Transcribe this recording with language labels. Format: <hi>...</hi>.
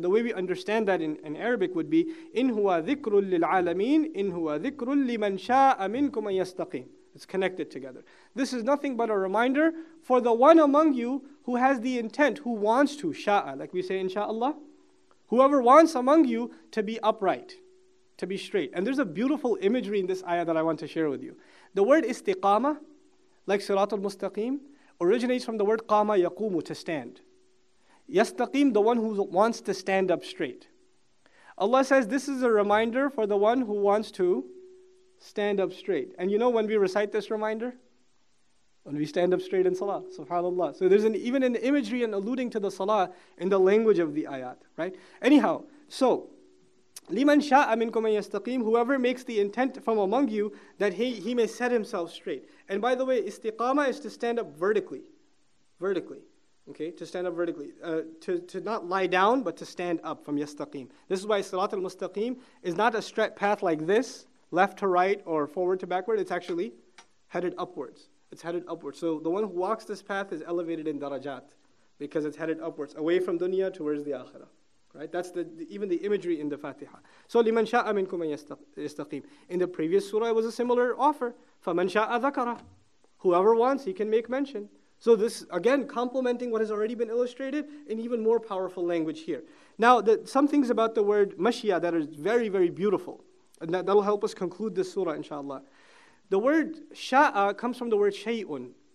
<en>The way we understand that in Arabic would be</en> <ar>إِنْ هُوَ ذِكْرُ لِلْعَالَمِينَ إِنْ هُوَ ذِكْرُ لِمَنْ شَاءَ مِنْكُمْ يَسْتَقِيمُ.</ar> <en>It's connected together. This is nothing but a reminder for the one among you who has the intent, who wants to, شَاءَ, like we say inshaAllah. Whoever wants among you to be upright, to be straight. And there's a beautiful imagery in this ayah that I want to share with you. The word istiqama, like Sirat al-Mustaqim, originates from the word qama yaqumu, to stand. Yastaqim, the one who wants to stand up straight. Allah says this is a reminder for the one who wants to stand up straight. And you know when we recite this reminder? When we stand up straight in salah, subhanAllah. So there's even an imagery and alluding to the salah in the language of the ayat, right? Anyhow, so,</en> <ar>لِمَنْ شَاءَ مِنْكُمْ أَنْ يَسْتَقِيمُ.</ar> <en>Whoever makes the intent from among you that he may set himself straight. And by the way, istiqama is to stand up vertically. Vertically, okay? To stand up vertically. To not lie down, but to stand up from yastaqim. This is why salat al-mustaqim is not a straight path like this, left to right or forward to backward. It's actually headed upwards. It's headed upwards. So the one who walks this path is elevated in darajat because it's headed upwards, away from dunya towards the akhirah. Right? That's even the imagery in the Fatiha. So,</en> <ar>لِمَنْ شَاءَ مِنْكُمْ يَسْتَقِيمُ.</ar> <en>In the previous surah, it was a similar offer.</en> <ar>فَمَنْ شَاءَ ذَكَرَ.</ar> <en>Whoever wants, he can make mention. So this, again, complementing what has already been illustrated in even more powerful language here. Now, some things about the word mashiya that is very, very beautiful. And that will help us conclude this surah, inshallah. The word sha'a comes from the word shay'un.</en>